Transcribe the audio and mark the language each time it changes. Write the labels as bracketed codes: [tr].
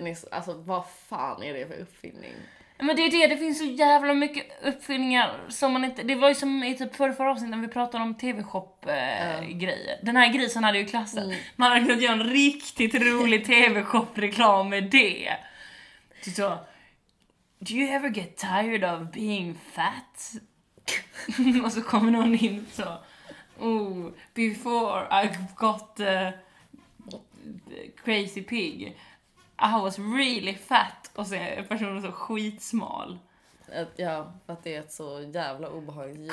[sv] Alltså, vad fan är det för uppfinning? Men det är det, det finns så jävla mycket uppfinningar som man inte... Det var ju som i typ förra avsnittet när vi pratade om tv-shop-grejer. Den här grisen hade ju klassen. Mm. Man hade kunnat göra en riktigt rolig tv-shop-reklam med det. Du sa, [en] do you ever get tired of being fat? [sv] Och så kommer någon in och sa, [en] oh, before I got crazy pig... I was really fat. [sv] Och så är personen så skitsmal. Ja, för att det är ett så jävla obehagligt.